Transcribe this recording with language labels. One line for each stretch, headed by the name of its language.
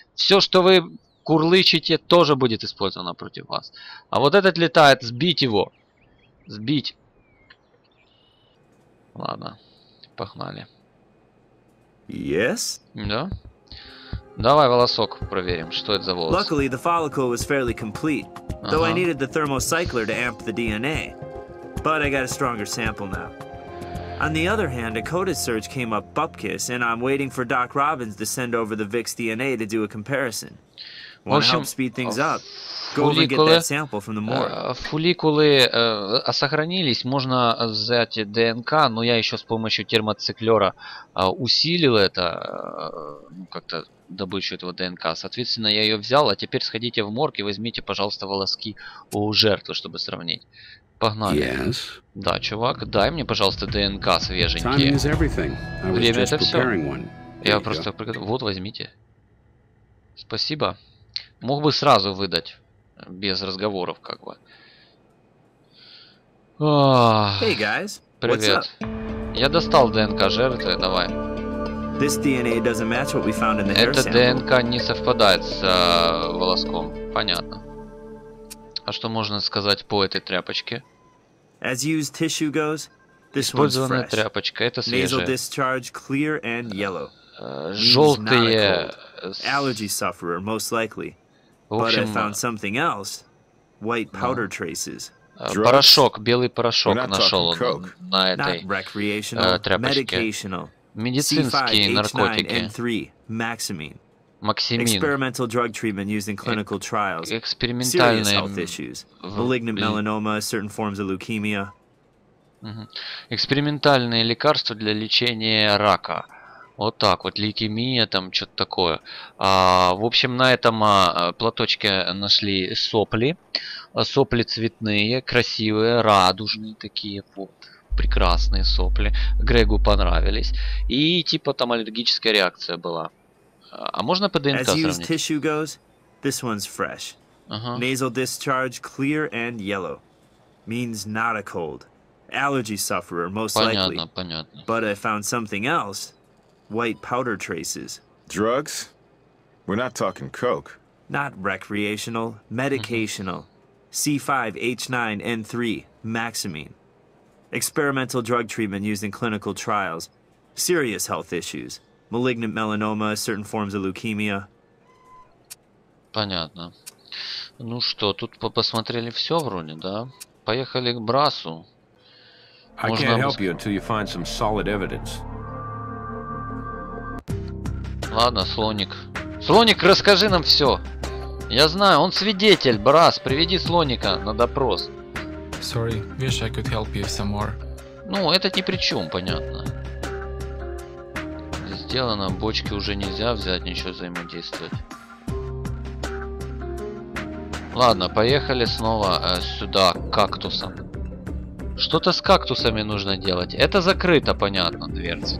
Russian: Все, что вы курлычите, тоже будет использовано против вас. А вот этот летает, сбить его. Сбить. Ладно, погнали.
English: Yes?
Russian: Да. Давай волосок проверим, что это за волос.
English: Luckily, the follicle was fairly complete, though I needed the thermocycler to amp the DNA. But I got a stronger sample now. On the other hand, a coded search came up bupkis, and I'm waiting for Doc Robbins to send over the Vic's DNA to do a comparison. Wanna help speed things up?
Russian: Фолликулы сохранились, можно взять ДНК, но я еще с помощью термоциклера усилил это, как-то добычу этого ДНК. Соответственно, я ее взял, а теперь сходите в морг и возьмите, пожалуйста, волоски у жертвы, чтобы сравнить. Погнали.
English: Yes.
Russian: Да, чувак, дай мне, пожалуйста, ДНК свеженькие. Время это все. Я просто приготовил. Вот, возьмите. Спасибо. Мог бы сразу выдать. Без разговоров, как бы.
English: Hey guys,
Russian: привет. Я достал ДНК жертвы, давай.
English: This DNA doesn't match what we found in the hair sample.
Russian: Это ДНК не совпадает с волоском. Понятно. А что можно сказать по этой тряпочке?
English: As used tissue goes, this
Russian: использованная
English: one's fresh.
Russian: Тряпочка, это свежая.
English: Nasal discharge clear and yellow.
Russian: Желтые.
English: Allergy sufferer, most likely.
Russian: Общем,
English: but I found something else. White powder traces.
Russian: Порошок, белый порошок нашел он на этой тряпочке. Медицинские наркотики. Максимин.
English: Experimental drug treatment used in clinical trials.
Russian: Экспериментальные.
English: Serious health issues. Malignant melanoma, certain forms of leukemia.
Russian: Экспериментальные лекарства для лечения рака. Вот так вот, лейкемия, там что-то такое. А, в общем, на этом платочке нашли сопли. Сопли цветные, красивые, радужные такие. Вот, прекрасные сопли. Грегу понравились. И типа там аллергическая реакция была. А можно по ДНК сравнить?
English: As used tissue goes, this one's fresh.
Russian: Ага.
English: Nasal discharge clear and yellow. Means not a cold. Allergy sufferer, most likely.
Russian: Понятно, понятно. But I found something else. White powder traces.
English: Drugs? We're not talking coke. Not recreational, medicational. C5H9N3, maximine. Experimental drug treatment used in clinical trials. Serious health issues. Malignant melanoma, certain forms of leukemia.
Russian: Понятно. Ну что, тут посмотрели все вроде, да? Поехали к Брасу.
English: I can't help you until you find some solid evidence.
Russian: Ладно, слоник. Слоник, расскажи нам все. Я знаю, он свидетель. Брас, приведи слоника на допрос.
English: Sorry, wish I could help you some more.
Russian: Ну, это ни при чем, понятно. Сделано, бочки уже нельзя взять, ничего взаимодействовать. Ладно, поехали снова сюда, к кактусам. Что-то с кактусами нужно делать. Это закрыто, понятно, дверцы.